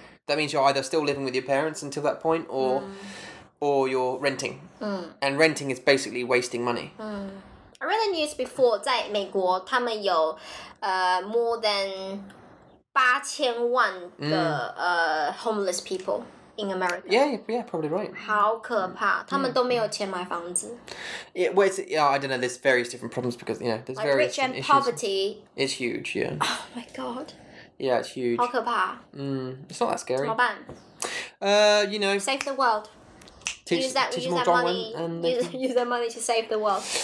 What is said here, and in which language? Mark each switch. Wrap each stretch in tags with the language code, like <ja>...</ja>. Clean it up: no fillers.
<en>That means you're either still living with your parents until that point, or you're renting. And renting is basically wasting money. I read the news before,</en> <zh>在美国他们有</zh> <en>more than 8,000,000 homeless people. In America. Yeah, probably right.</en> <zh>好可怕,他们都没有钱买房子.</zh> <en>I don't know, there's various different problems because, you know, there's like various rich and issues. Poverty. It's huge, yeah. Oh my god. Yeah, it's huge.</en> <zh>好可怕.</zh> <en>It's not that scary.</en> <zh>怎么办?</zh> <en>You know. Save the world. Use that money to save the world.</en>